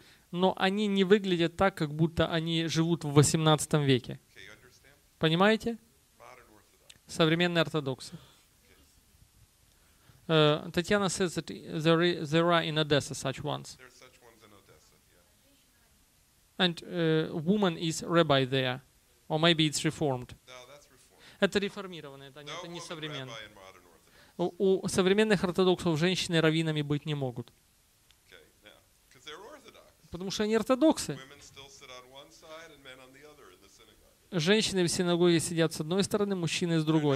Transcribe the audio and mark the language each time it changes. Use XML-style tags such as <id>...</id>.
<ru>но они не выглядят так, как будто они живут в 18 веке. Понимаете? Современные ортодоксы.</ru> <en>Татьяна says that there are in Odessa such ones. There are such ones in Odessa, yeah. And a woman is rabbi there. Or maybe it's reformed. No, that's reformed.</en> <ru>Это реформированное, это,</ru> <en>no,</en> <ru>это не современное.</ru> <en>Rabbi in modern Orthodox.</en> <ru>У современных ортодоксов женщины раввинами быть не могут.</ru> <en>Okay, now, 'cause they're Orthodox.</en> <ru>Потому что они ортодоксы.</ru> <en>Women still sit on one side and men on the other in the synagogue.</en> <ru>Женщины в синагоге сидят с одной стороны, мужчины с другой.</ru>